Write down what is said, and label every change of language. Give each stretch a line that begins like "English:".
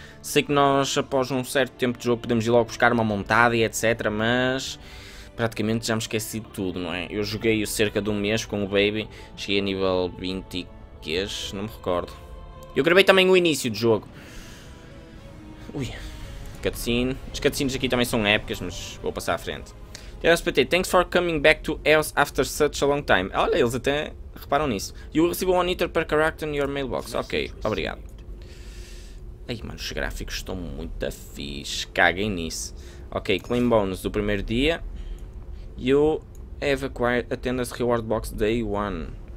Portuguese: Sei que nós, após um certo tempo de jogo, podemos ir logo buscar uma montada e etc, mas... praticamente já me esqueci de tudo, não é? Eu joguei cerca de um mês com o Baby, cheguei a nível 20 e... não me recordo. Eu gravei também o início do jogo. Ui... cutscene. As cutscenes aqui também são épicas, mas vou passar à frente.
English: THOSPT, thanks for coming back to EOS after such a long time.
Portuguese: Olha, eles até... reparam nisso.
English: You receive one item per character in your mailbox.
Portuguese: Ok, obrigado. Ai, mano, os gráficos estão muito fixe. Caguem nisso. Ok, claim bonus do primeiro dia.
English: You have acquired attendance reward box day 1.